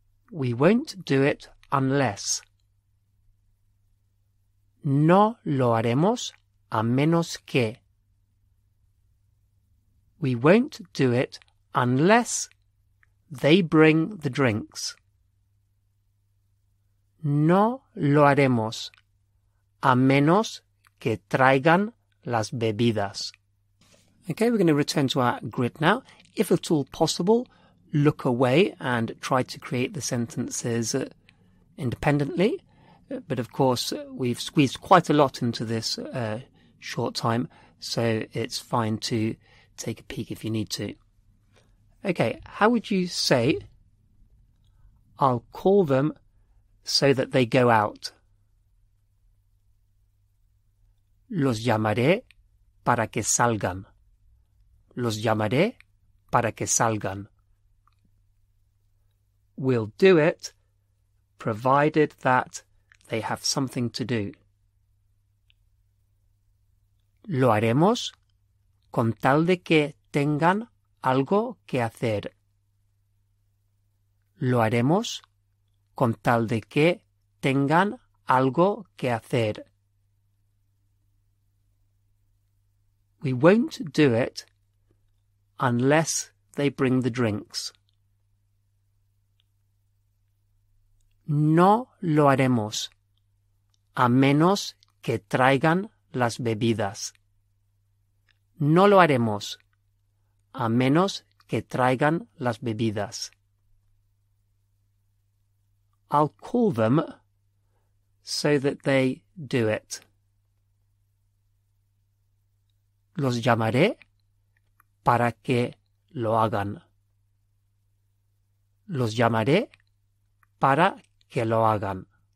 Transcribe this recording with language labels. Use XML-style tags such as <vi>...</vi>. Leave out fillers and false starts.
<en>We won't do it unless.</en> <es>No lo haremos a menos que.</es> <en>We won't do it unless they bring the drinks.</en> <es>No lo haremos a menos que traigan las bebidas.</es> <en>Okay, we're going to return to our grid now. If at all possible, look away and try to create the sentences independently. But of course, we've squeezed quite a lot into this short time, so it's fine to take a peek if you need to. Okay, how would you say, I'll call them so that they go out?</en> <es>Los llamaré para que salgan. Los llamaré para que salgan.</es> <en>We'll do it, provided that they have something to do.</en> <es>Lo haremos con tal de que tengan algo que hacer. Lo haremos con tal de que tengan algo que hacer.</es> <en>We won't do it unless they bring the drinks.</en> <es>No lo haremos a menos que traigan las bebidas. No lo haremos a menos que traigan las bebidas.</es> <en>I'll call them so that they do it.</en> <es>Los llamaré para que lo hagan. Los llamaré para que lo hagan.</es>